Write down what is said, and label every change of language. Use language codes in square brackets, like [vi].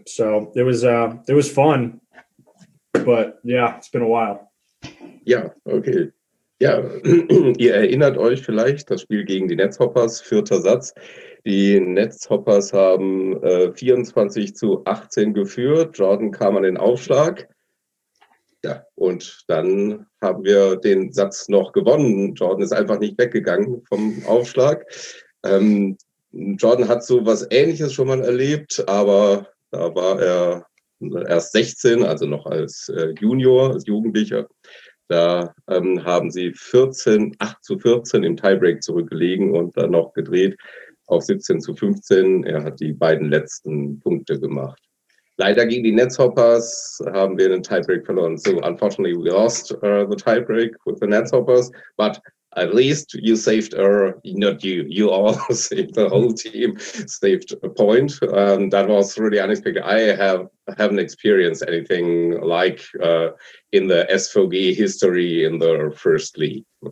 [en] So it was fun, but it's been a while. Yeah. Okay. [de] Ja, ihr erinnert euch vielleicht, das Spiel gegen die Netzhoppers, vierter Satz. Die Netzhoppers haben 24-18 geführt. Jordan kam an den Aufschlag. Ja, und dann haben wir den Satz noch gewonnen. Jordan ist einfach nicht weggegangen vom Aufschlag. Jordan hat so was Ähnliches schon mal erlebt, aber da war er erst 16, also noch als Junior, als Jugendlicher. Da haben sie 8-14 im Tiebreak zurückgelegen und dann noch gedreht auf 17-15. Er hat die beiden letzten Punkte gemacht. Leider gegen die Netzhoppers haben wir einen Tiebreak verloren. [en] So, unfortunately, we lost the tiebreak with the Netzhoppers. But at least you saved, you all saved the whole team, saved a point. That was really unexpected. I haven't experienced anything like in the SVG history in the first league.